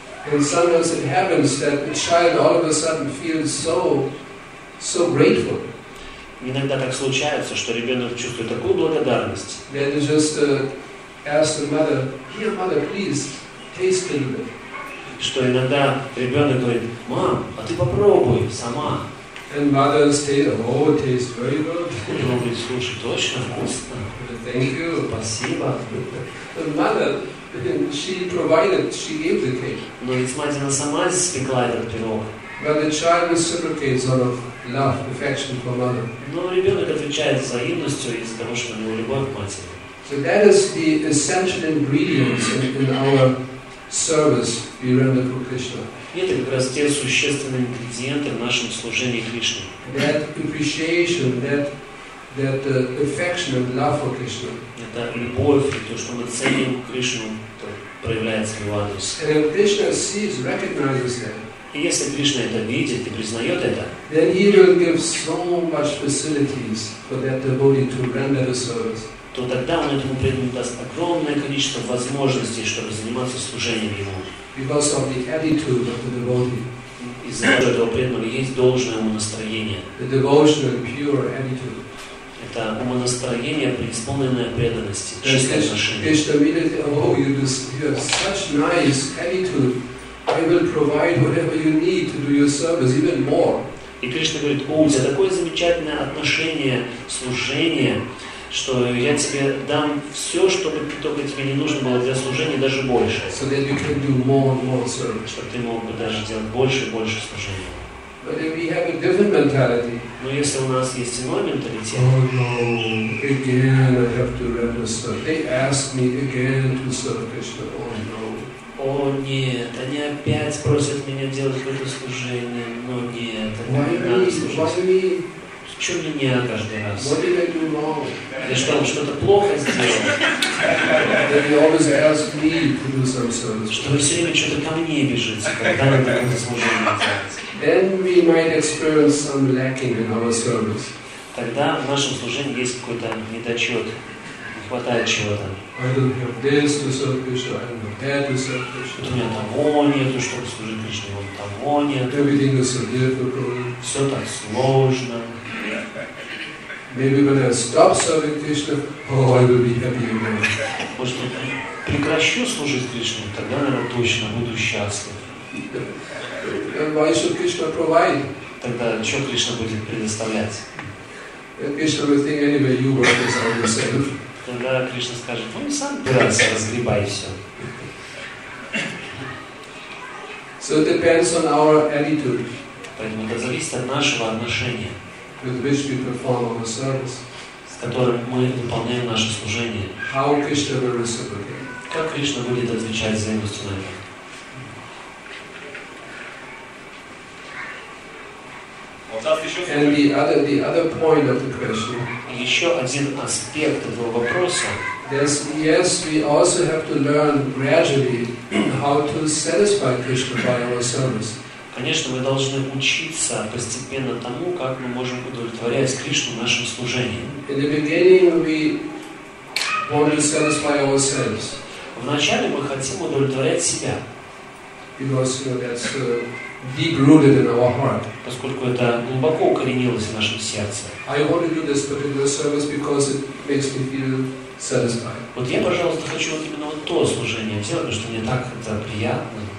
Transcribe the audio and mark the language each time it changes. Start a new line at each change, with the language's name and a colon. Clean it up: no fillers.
English: And sometimes it happens that the child all of a sudden feels so grateful.
Russian: Иногда так случается, что ребенок чувствует такую благодарность.
English: Then he just asks the mother, "Here, mother, please taste a little bit."
Russian: Что иногда ребенок говорит: «Мам, а ты попробуй сама».
English: And mother said, "Oh, it tastes very good."
Russian: И он говорит: «Слушай, точно вкусно».
English: Thank you.
Russian: Спасибо.
English: The mother, she provided, she gave the cake.
Russian: Но ведь мать, она сама испекла этот пирог.
English: But the child reciprocates out of love, affection for mother.
Russian: Но ребенок отвечает взаимностью из-за того, что у него любовь к матери.
English: So that is the essential ingredients in our service we render for Krishna.
Russian: Это как раз те существенные ингредиенты в нашем служении Кришне.
English: That appreciation, that affection and love for Krishna.
Russian: Это любовь и то, что мы ценим Кришну, проявляется в его адрес.
English: And if Krishna sees, recognizes that.
Russian: И если Кришна это видит и признает это,
English: then he will give so much facilities for that devotee to render the service.
Russian: То тогда он этому преданному даст огромное количество возможностей, чтобы заниматься служением ему.
English: Because of the attitude of the devotee.
Russian: Из-за того, что этого преданного есть должное умонастроение.
English: The devotion and pure attitude.
Russian: Это умонастроение, преисполненное преданности, чистое отношение.
English: Krishna immediately, oh, you have such nice attitude. I will provide whatever you need to do your service, even more.
Russian: И Кришна говорит: «О, у тебя такое замечательное отношение, служение, что я тебе дам все, чтобы только тебе не нужно было для служения, даже больше.
English: So that you can do more and more service.
Russian: Чтобы ты мог бы даже делать больше и больше служения.
English: But if we have a different mentality.
Russian: Но если у нас есть иной менталитет.
English: Oh no, again I have to render service. They ask me again to serve Krishna. Oh no.
Russian: О нет, они опять просят меня делать какое-то служение. Но нет, это не надо служить. Чего мне не каждый раз?
English: What did I do wrong?
Russian: Я что, что-то плохо сделал?
English: Then you always ask me to do some service.
Russian: Что вы все время что-то ко мне бежите, когда нам такое служение делать?
English: Then we might experience some lacking in our service.
Russian: Тогда в нашем служении есть какой-то недочет, не хватает чего-то.
English: I don't have this to serve Krishna. I don't have that to serve Krishna.
Russian: Вот у меня того нету, чтобы служить Кришне. Вот того нет.
English: Everything is so difficult.
Russian: Все так сложно.
English: Maybe when I stop serving Krishna, oh, I will be happy again.
Russian: Может, прекращу служить Кришне, тогда, наверное, точно буду счастлив.
English: And why should Krishna provide?
Russian: Тогда что Кришна будет предоставлять?
English: And Krishna will think anyway, you work this out yourself.
Russian: Тогда Кришна скажет: ну, не сам убирайся, разгребай все.
English: So it depends on our attitude.
Russian: Поэтому это зависит от нашего отношения.
English: With which we perform our service.
Russian: С которым мы выполняем наше служение.
English: How Krishna will reciprocate?
Russian: Как Кришна будет отвечать взаимностью на это? Вот сейчас
English: And the other point of the question.
Russian: Еще один аспект этого вопроса.
English: Yes, we also have to learn gradually how to satisfy Krishna by our service.
Russian: Конечно, мы должны учиться постепенно тому, как мы можем удовлетворять Кришну нашим служением.
English: In the beginning, we want to satisfy ourselves.
Russian: Вначале мы хотим удовлетворять себя.
English: Because that's deep-rooted in our heart.
Russian: Поскольку это глубоко укоренилось в нашем сердце.
English: I want to do this particular service because it makes me feel satisfied.
Russian: Вот я, пожалуйста, хочу вот именно вот то служение делать, потому что мне так это приятно.